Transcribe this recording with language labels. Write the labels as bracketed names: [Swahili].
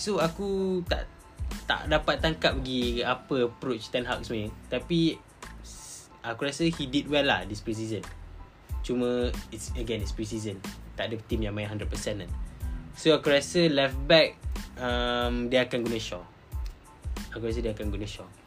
[Malay] So aku tak dapat tangkap lagi apa approach Ten Hag sebenarnya. Tapi aku rasa [English] he did well lah this pre-season. [Malay] Cuma [English] it's pre-season. [Malay] Tak ada team yang main 100% kan. So aku rasa left back dia akan guna Shaw. Aku rasa dia akan guna Shaw.